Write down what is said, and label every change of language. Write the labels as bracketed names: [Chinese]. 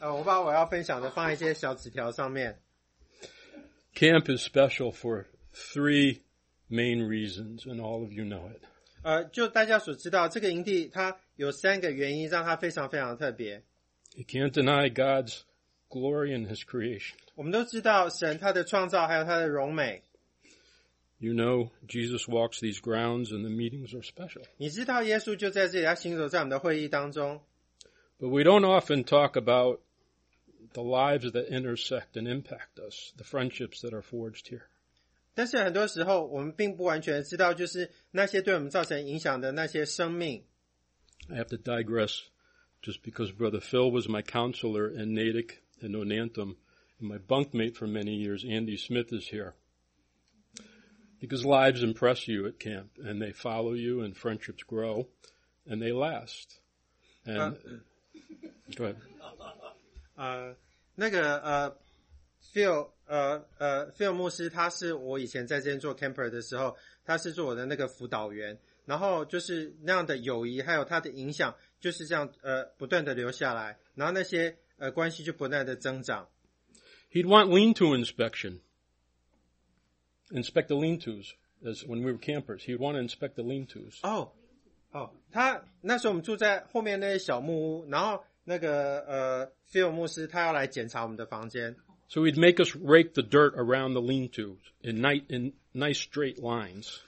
[Chinese] 我把我要分享的放一些小纸条上面。 [English] Camp is special for 3 main reasons, and all of you know it. [Chinese] 就大家所知道，这个营地它有三个原因让它非常非常特别。 [English] You can't deny God's glory in His creation. [Chinese] 我们都知道神他的创造还有他的荣美。 [English] You know, Jesus walks these grounds and the meetings are special. [Chinese] 你知道耶稣就在这里，他行走在我们的会议当中。 [English] But we don't often talk about the lives that intersect and impact us, the friendships that are forged here. [Chinese] 但是很多时候我们并不完全知道就是那些对我们造成影响的那些生命。 [English] I have to digress just because Brother Phil was my counselor in Natick and Onantum, and my bunkmate for many years, Andy Smith, is here. Because lives impress you at camp, and they follow you, and friendships grow, and they last. And, go ahead. [Chinese] Phil 牧师他是我以前在这边做 camper 的时候，他是做我的那个辅导员，然后就是那样的友谊，还有他的影响，就是这样不断的留下来，然后那些关系就不断的增长。 [English] He'd want lean-to inspection. Inspect the lean-tos, as when we were campers. He'd want to inspect the lean-tos. Oh, oh. [Chinese] 他那时候我们住在后面那些小木屋，然后那个Phil 牧师他要来检查我们的房间。 [English] So he'd make us rake the dirt around the lean-tos in nice straight lines.